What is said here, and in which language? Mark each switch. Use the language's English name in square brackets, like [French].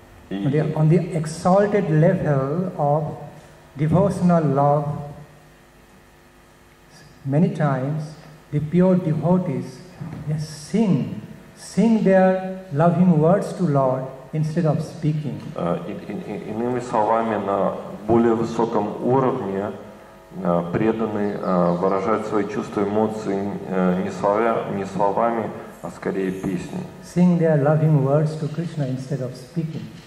[English] They on the exalted level of devotional love, many times the pure devotees, they sing their loving words to Lord instead of speaking. [Russian] Иными словами, на более высоком уровне преданный выражает свои чувства и эмоции не словами, а скорее песней. [English] Sing their loving words to Krishna instead of speaking.